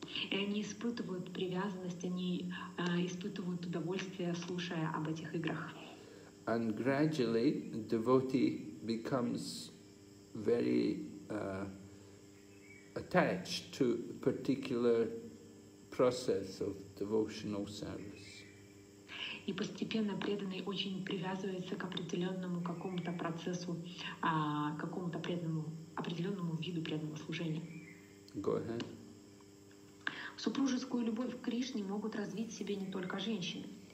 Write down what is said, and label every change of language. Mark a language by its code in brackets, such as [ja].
[ru] И они испытывают привязанность, они испытывают удовольствие, слушая об этих играх. [en] And gradually, the devotee becomes very attached to a particular process of devotional service. [ru] И постепенно преданный очень привязывается к определенному какому-то процессу, какому-то определенному виду преданного служения. [en] Go ahead. [ru] Супружескую любовь к Кришне могут развить в себе не только женщины.